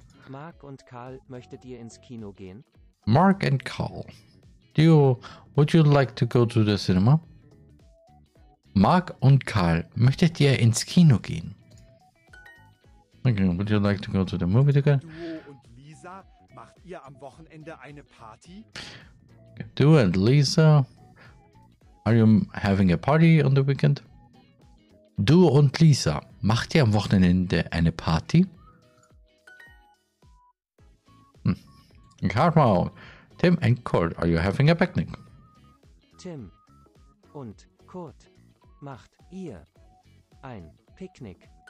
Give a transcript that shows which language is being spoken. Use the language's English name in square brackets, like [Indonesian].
[German] Mark und Karl, möchtet ihr ins Kino gehen? [English] Mark and Karl, would you like to go to the cinema? [German] Mark und Karl, möchtet ihr ins Kino gehen? [English] Okay, would you like to go to the movie together? [German] Du und Lisa, macht ihr am Wochenende eine Party? Du und Lisa, [English] are you having a party on the weekend? [German] Du und Lisa, macht ihr am Wochenende eine Party? [English] Karl, Tim und Kurt, are you having a picnic? [German] Tim und Kurt, macht ihr ein Picknick?